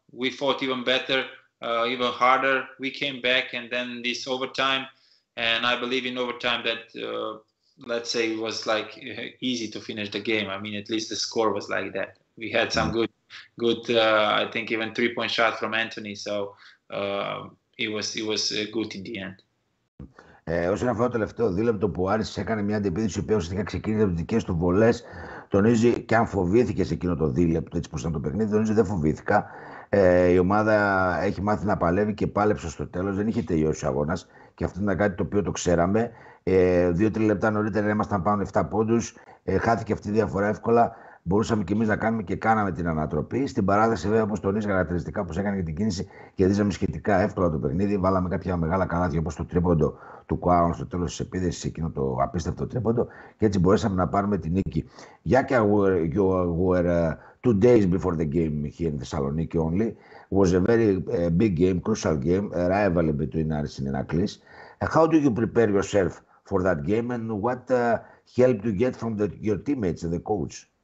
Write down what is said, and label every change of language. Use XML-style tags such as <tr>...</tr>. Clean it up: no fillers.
<en>We fought even better, even harder. We came back, and then this overtime, and I believe in overtime that, let's say, it was like easy to finish the game. I mean, at least the score was like that. We had some good, I think, even 3-point shot from Anthony. So it was good in the end.</en> <el>Όσον αφορά το τελευταίο δίλεπτο που ο Άρης έκανε μια αντεπίθεση, η οποία ουσιαστικά ξεκίνησε από τις δικές του βολές, τονίζει και αν φοβήθηκε σε εκείνο το δίλεπτο, έτσι πως ήταν το παιχνίδι, τονίζει δεν φοβήθηκα. Η ομάδα έχει μάθει να παλεύει και πάλεψε στο τέλος. Δεν είχε τελειώσει ο αγώνας και αυτό ήταν κάτι το οποίο το ξέραμε. 2-3 λεπτά νωρίτερα ήμασταν πάνω 7 πόντους. Χάθηκε αυτή η διαφορά εύκολα. Μπορούσαμε κι εμείς να κάνουμε και κάναμε την ανατροπή. Στην παράταση, βέβαια, όπως τονίζει χαρακτηριστικά, όπως έκανε και την κίνηση, κερδίζαμε σχετικά εύκολα το παιχνίδι. Βάλαμε κάποια μεγάλα καλάθια, όπως το τρίποντο του Κουάουν στο τέλος της επίθεσης, εκείνο το απίστευτο τρίποντο, και έτσι μπορέσαμε να πάρουμε την νίκη.</el> <en>Γιάκα, you were 2 days before the game here in Thessaloniki only. It was a very big game, crucial game, a rivalry between Aris and Heracles. How do you prepare yourself for that game, and what help do you get from your teammates and the coach?</en>